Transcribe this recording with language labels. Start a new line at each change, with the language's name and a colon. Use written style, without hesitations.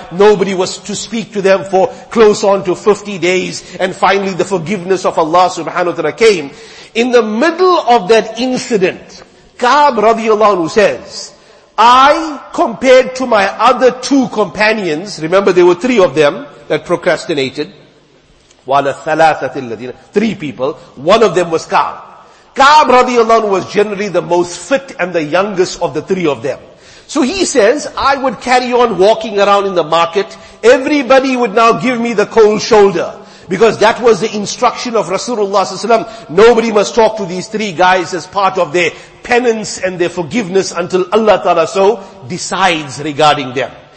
English: Nobody was to speak to them for close on to 50 days. And finally the forgiveness of Allah subhanahu wa ta'ala came. In the middle of that incident, Ka'b radiallahu anhu says, I, compared to my other two companions, remember there were three of them that procrastinated.
Arabic: وَعَلَى الثَّلَاثَةِ الَّذِينَ
English: Three people. One of them was Ka'b. Ka'b radiallahu anhu was generally the most fit and the youngest of the three of them. So he says, I would carry on walking around in the market. Everybody would now give me the cold shoulder. Because that was the instruction of Rasulullah ﷺ. Nobody must talk to these three guys as part of their penance and their forgiveness until Allah Ta'ala so decides regarding them.